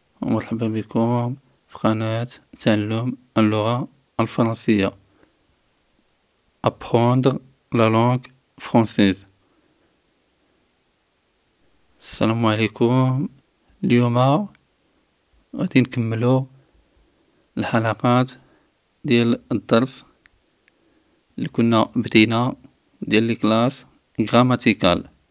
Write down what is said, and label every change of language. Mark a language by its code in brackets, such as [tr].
[ar] مرحبا بكم في قناة تعلم اللغة الفرنسية. [fr] Apprendre la langue française. [ar] السلام عليكم. اليوم غادي نكملو الحلقات ديال الدرس اللي كنا بدينا ديال الكلاس غراماتيكال.